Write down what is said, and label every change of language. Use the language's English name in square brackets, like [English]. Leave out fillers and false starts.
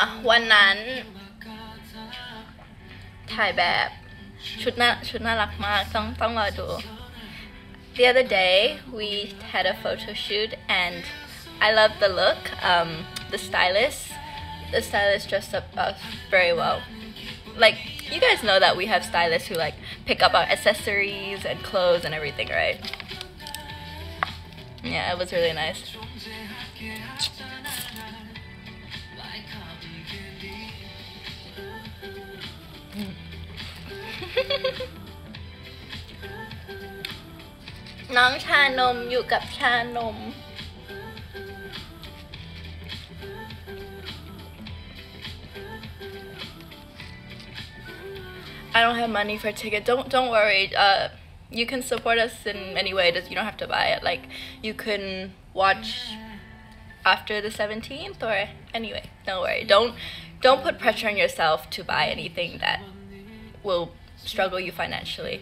[Thai] วันนั้นถ่ายแบบชุดน่ารักมากต้องรอดู [English] The other day we had a photo shoot and I love the look the stylist dressed up us very well. Like you guys know that we have stylists who like pick up our accessories and clothes and everything, right? Yeah, it was really nice. [Thai] น้องชานมอยู่กับชานม [English] I don't have money for ticket. Don't worry. You can support us in any way. You don't have to buy it. Like you can watch after the 17th or anyway. Don't worry. Don't put pressure on yourself to buy anything that will struggle you financially.